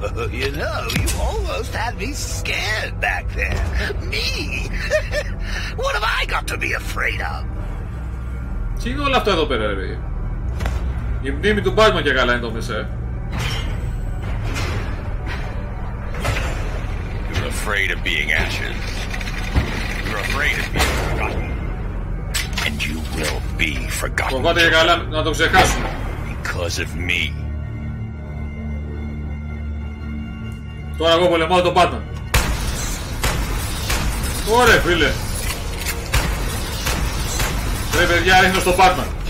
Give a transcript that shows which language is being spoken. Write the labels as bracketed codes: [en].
[en] You know, you almost had me scared back there. Me? What have I got to be afraid of? [el] Τι είναι όλα αυτά εδώ πέρα, ρε παιδί. Η μνήμη του Batman και καλά είναι το μέσα. [en] You're afraid of being ashes. You're afraid of being forgotten. And you will be forgotten. [el] Οπότε και καλά να το ξεχάσουμε. [en] Because of me. [el] Τώρα εγώ πολεμάω τον Batman. Ωρε φίλε. Ρε παιδιά ρίχνω στον Batman.